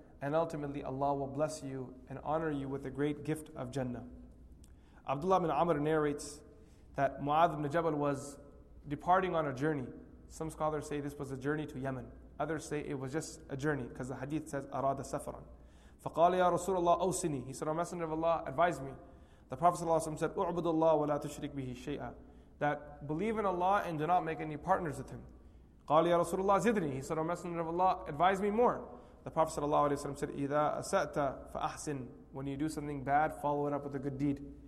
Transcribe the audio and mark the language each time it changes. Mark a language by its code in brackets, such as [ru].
[en] And ultimately, Allah will bless you and honor you with the great gift of Jannah. Abdullah bin Amr narrates that Mu'adh ibn Jabal was departing on a journey. Some scholars say this was a journey to Yemen. Others say it was just a journey, because the hadith says, [ar] أَرَادَ سَفَرًا. فَقَالَ يَا رَسُولَ اللَّهِ أَوْسِنِي. [en] He said, O Messenger of Allah, advise me. The Prophet ﷺ said, [ar] أُعْبُدُ اللَّهِ وَلَا تُشْرِكْ بِهِ شَيْئًا. [en] That believe in Allah and do not make any partners with Him. [ar] قَالَ يَا رَسُولَ اللَّهِ زِدْنِي. [en] He said, O Messenger of Allah, advise me more. The Prophet ﷺ said, [ar] إِذَا أَسَأْتَ فَأَحْسِنْ. [en] When you do something bad, follow it up with a good deed.